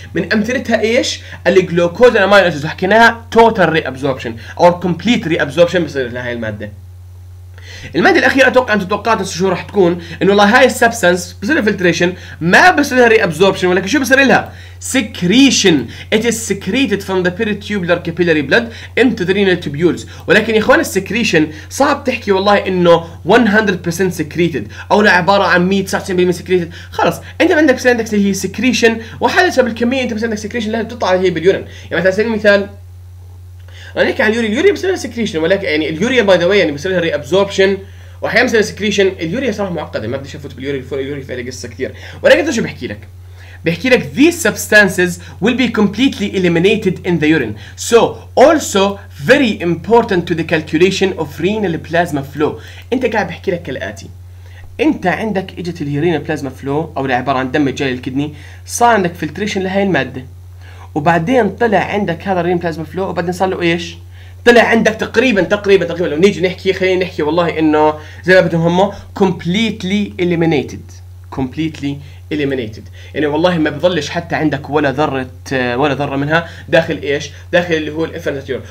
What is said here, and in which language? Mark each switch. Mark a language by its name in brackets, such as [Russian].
[Arabic] من امثلتها ايش؟ الجلوكوز والامينو اسيد حكيناها توتال ري ابزوربشن او كومبليت ري ابزوربشن بيصير لها هاي الماده. الماده الاخيره اتوقع انت توقعت شو راح تكون انه والله هاي السبستنس بصير لها فلتريشن ما بصير لها ري ابزوربشن ولكن شو بصير لها؟ سكريشن. [English] It is secreted from the peritubular capillary blood into the renal tubules. [Arabic] ولكن يا اخوان السكريشن صعب تحكي والله انه 100% secreted او انه عباره عن 199% secreted. خلص انت عندك بصير عندك هي سكريشن وحسب بالكمية انت بصير عندك سكريشن لها بتطلع هي باليورين. يعني مثلا سبيل المثال انا هيك على اليوريا، اليوريا بصير لها سكريشن ولكن يعني اليوريا باي ذا واي يعني بصير لها ري ابزوربشن واحيانا بصير لها سكريشن. اليوريا صراحه معقده ما بدي اشفط باليوريا الفور اليوريا فيها قصه كثير. ولكن شو بحكي لك؟ [English] بحكي لك these substances will be completely eliminated in the urine. So also very important to the calculation of renal plasma flow. [Arabic] انت قاعد بحكي لك كالاتي، انت عندك اجت الرينال بلازما فلو او اللي عباره عن دم جاي للكدني صار عندك فلتريشن لهي الماده وبعدين طلع عندك هذا الرينال بلازما فلو وبعدين صار له ايش؟ طلع عندك تقريبا لو نيجي نحكي خلينا نحكي والله انه زي ما بدهم هم [English] completely eliminated completely eliminated [Arabic] يعني والله ما بضلش حتى عندك ولا ذره منها داخل ايش؟ داخل اللي هو الافنتيور.